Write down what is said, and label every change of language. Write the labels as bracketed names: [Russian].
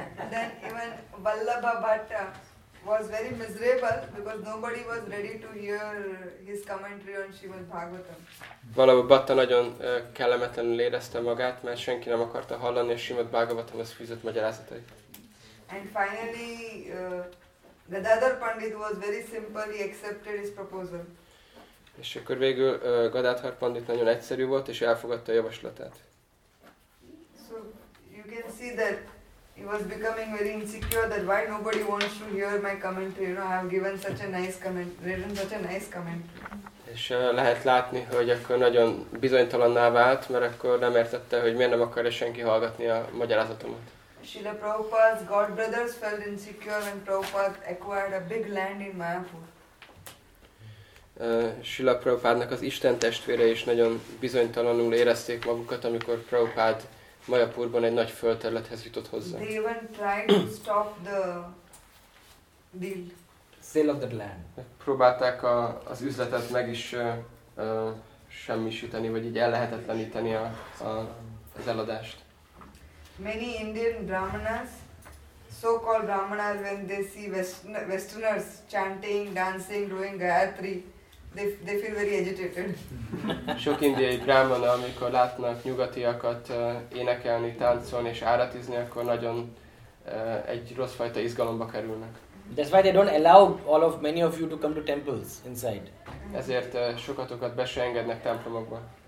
[English] Then even Vallabha Bhatta was very miserable because nobody was ready to hear his commentary on Srimad Bhagavatam. [Hungarian] Valahogy Bhatta nagyon kellemetlenül érezte magát, mert senki nem akarta hallani a Srimad Bhagavatamhoz fűzött magyarázatait. [English] And finally, Gadadhar Pandit was very simple, he accepted his proposal. [Hungarian] És akkor végül Gadadhar Pandit nagyon egyszerű volt, és elfogadta a javaslatát. [English] So, you can see that he was becoming very insecure that why nobody wants to hear my commentary, you know, I have given such a nice comment, written such a nice comment. [Hungarian] És lehet látni, hogy akkor nagyon bizonytalanná vált, mert akkor nem értette, hogy miért nem akarja senki hallgatni a magyarázatomat. [English] Srila Prabhupada's god brothers felt insecure when Prabhupada acquired a big land in Mayapur. [Hungarian] Srila Prabhupádnak az Isten testvére is nagyon bizonytalanul érezték magukat, amikor Prabhupád Mayapurban egy nagy földterülethez jutott hozzá. [English] They even tried to stop the deal. Sale of the land. [Hungarian] Próbálták az üzletet meg is semmisíteni, vagy így ellehetetleníteni az eladást. [English] Many Indian brahmanas, so-called brahmanas, when they see westerners chanting, dancing, doing Gayatri, they feel very agitated. [Hungarian] Sok indiai brahmana, amikor látnak nyugatiakat énekelni, táncolni és áratizni, akkor nagyon egy rossz fajta izgalomba kerülnek. [English] That's why they don't allow all of many of you to come to temples inside. [Hungarian] Ezért sokatokat be se engednek templomokba.